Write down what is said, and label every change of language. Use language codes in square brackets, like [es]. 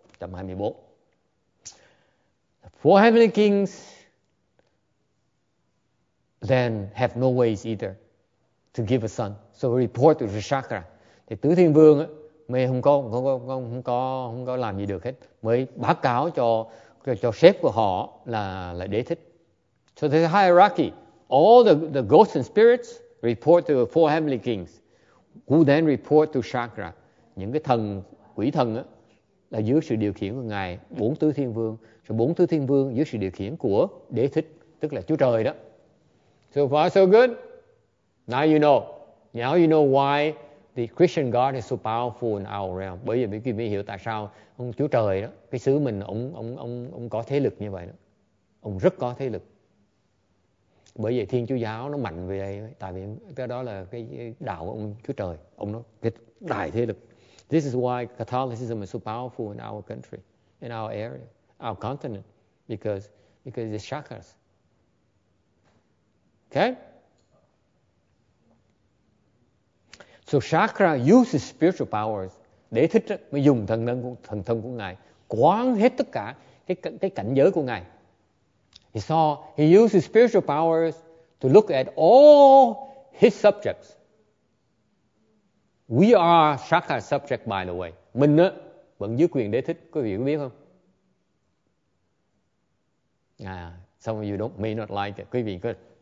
[en] The four heavenly kings then have no ways either to give a son. So report to the chakra. [vi] Thì tứ thiên vương mới không có làm gì được hết. Mới báo cáo cho sếp của họ là đế thích. [en] So there's a hierarchy. All the ghosts and spirits report to the four heavenly kings, who then report to chakra. [vi] Những cái thần, quỷ thần á, là dưới sự điều khiển của ngài, bốn tứ thiên vương. So bốn tứ thiên vương dưới sự điều khiển của đế thích, tức là Chúa Trời đó. [en] So far so good. Now you know why the Christian God is so powerful in our realm. [vi] Bởi vì quý vị hiểu tại sao ông Chúa Trời đó, cái xứ mình ông có thế lực như vậy đó. Ông rất có thế lực. Bởi vì Thiên Chúa Giáo nó mạnh về đây, tại vì cái đó là cái đạo của ông Chúa Trời, ông nó cái đại thế lực. [en] This is why Catholicism is so powerful in our country, in our area, our continent, because it's chakras. Okay? So chakra uses spiritual powers. [vi] Đế thích mới dùng thần thông của ngài quán hết tất cả cái cảnh giới của ngài. [en] He saw, he used his spiritual powers to look at all his subjects. We are Shaka subject, by the way. [vi] Mình đó, vẫn dưới quyền đế thích, quý vị có biết không? [en] À, some of you don't, may not like it. [vi] Quý vị có,